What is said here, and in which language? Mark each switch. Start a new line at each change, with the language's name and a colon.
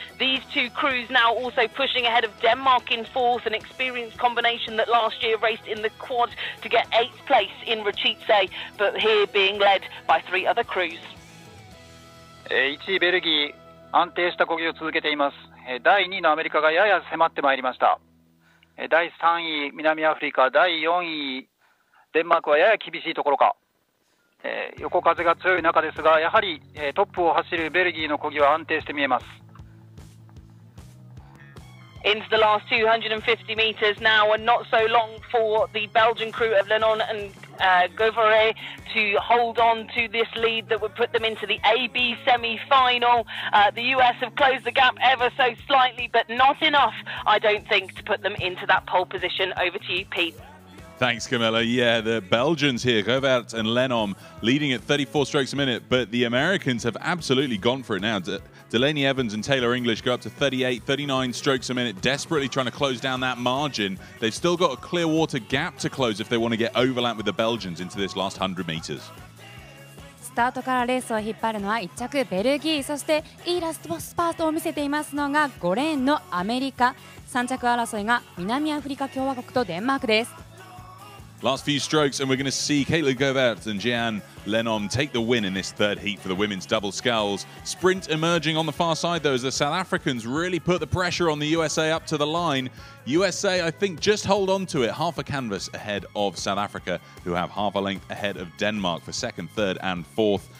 English: These two crews now also pushing ahead of Denmark in fourth, an experienced combination that last year raced in the quad to get eighth place in Rachice, but here being led by three other crews.
Japanese: 1位ベルギー安定した攻撃を続けています。第2位のアメリカがやや迫ってまいりました。第3位南アフリカ、第4位デンマークはやや厳しいところか。横風が強い中ですが、やはりトップを走るベルギーの攻撃は安定して見えます。
English: Into the last 250 meters now, and not so long for the Belgian crew of Lennon and Govere to hold on to this lead that would put them into the AB semi-final. The US have closed the gap ever so slightly, but not enough, I don't think, to put them into that pole position. Over to you, Pete. Thanks, Camilla. Yeah, the Belgians here, Govert and Lennon, leading at 34 strokes a minute, but the Americans have absolutely gone for it now. Delaney Evans and Taylor English go up to 38, 39 strokes a minute, desperately trying to close down that margin. They've still got a clear water gap to close if they want to get overlapped with the Belgians into this last 100 meters.
Japanese: スタートからレースを引っ張るのは1着ベルギー、そしていいラストスパートを見せていますのが5レーンのアメリカ、3着争いが南アフリカ共和国とデンマークです。
English: Last few strokes, and we're going to see Caitlin Govert and Jeanne Lennon take the win in this third heat for the women's double sculls. Sprint emerging on the far side, though, as the South Africans really put the pressure on the USA up to the line. USA, I think, just hold on to it. Half a canvas ahead of South Africa, who have half a length ahead of Denmark for second, third, and fourth.